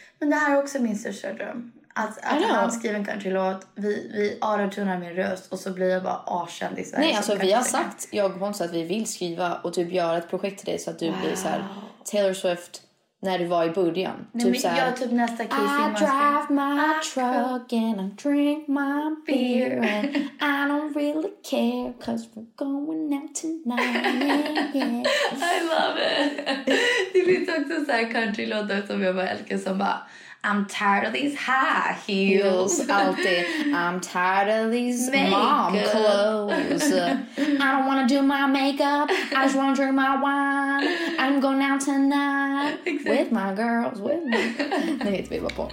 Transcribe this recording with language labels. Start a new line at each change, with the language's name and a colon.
Swedish: Men det här är också min största dröm. Att han skriver en countrylåt, vi autotunar min röst och så blir jag bara akänd i Sverige. Nej, alltså vi har sagt, jag och Pontus, att vi vill skriva och typ göra ett projekt till dig så att du blir så här Taylor Swift. När du var i början. Nej, typ såhär, jag typ nästa Casey.
English: I drive my truck and I drink my beer. And I don't really care cause we're going out tonight. I love it.
Swedish: Det finns också såhär countrylåtar som jag bara älskar som bara...
English: I'm tired of these high heels. I'm tired of these makeup. Mom clothes. I don't want to do my makeup. I just want to drink my wine. I'm going out tonight. Exactly. With my girls. With me.
Swedish: Nej, inte vi var på.